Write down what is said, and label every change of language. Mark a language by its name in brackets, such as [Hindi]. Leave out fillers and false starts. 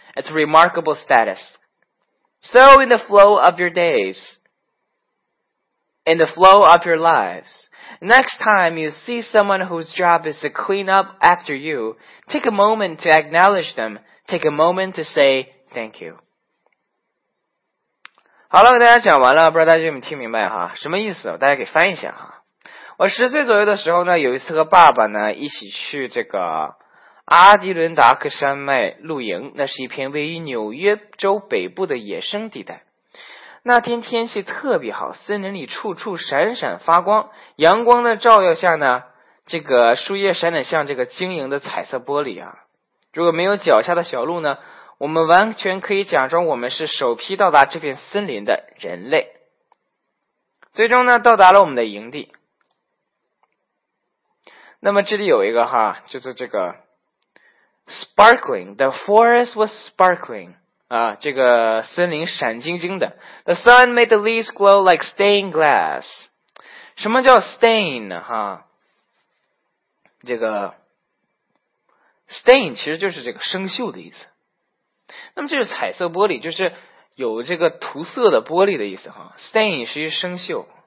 [English] It's a remarkable status. So in the flow of your days, in the flow of your lives, next time you see someone whose job is to clean up after you, take a moment to acknowledge them. Take a moment to say thank you. [Chinese] 好了，给大家讲完了，不知道大家有没有听明白哈？什么意思？大家给翻译一下哈。我十岁左右的时候呢，有一次和爸爸呢一起去这个阿迪伦达克山脉露营，那是一片位于纽约州北部的野生地带。那天天气特别好，森林里处处闪闪发光，阳光的照耀下呢，这个树叶闪闪像这个晶莹的彩色玻璃啊。如果没有脚下的小路呢，我们完全可以假装我们是首批到达这片森林的人类。最终呢，到达了我们的营地。那么这里有一个哈，就是这个 sparkling, [English] the forest was sparkling, [Chinese] 啊，这个森林闪晶晶的。 [English] The sun made the leaves glow like stained glass. [Chinese] 什么叫 stain 呢哈？这个 stain 其实就是这个生锈的意思。那么就是彩色玻璃，就是有这个涂色的玻璃的意思哈。 Stain 是生锈。